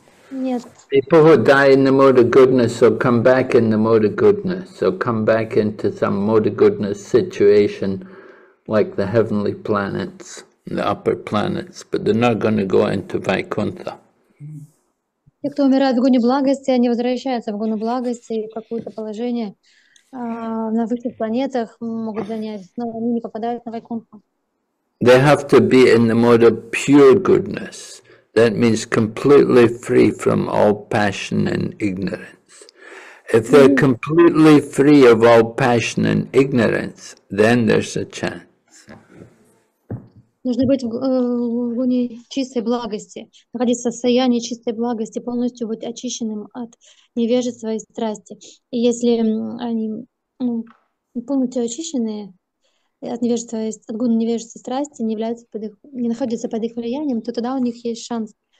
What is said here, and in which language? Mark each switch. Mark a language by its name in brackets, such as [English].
[English] Yes. People who die in the mode of goodness will come back in the mode of goodness, so come back into some mode of goodness situation like the heavenly planets, the upper planets, but they're not going to go into Vaikuntha. [Russian] Те, кто умирает в гуне благости, они возвращаются в гуну благости и в какое-то положение на высших планетах могут занять, но они не попадают на Вайкунтху. [English] They have to be in the mode of pure goodness. That means completely free from all passion and ignorance. If they're completely free of all passion and ignorance, then there's a chance. [Russian] Нужно быть в гуне чистой благости, находиться в состоянии чистой благости, полностью быть очищенным от невежества и страсти. И если они полностью очищенные от невежества, от гуны невежества и страсти, не являются под их, не находятся под их влиянием, то тогда у них есть шанс.